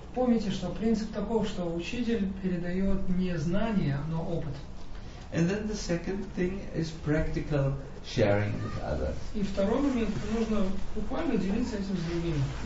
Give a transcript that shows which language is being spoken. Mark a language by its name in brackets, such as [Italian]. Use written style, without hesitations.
[Russian] Помните, что принцип такой, что учитель передает не знания, но опыт. [English] And then the second thing is practical sharing with others. [Russian] И второй момент, нужно буквально делиться этим с другими.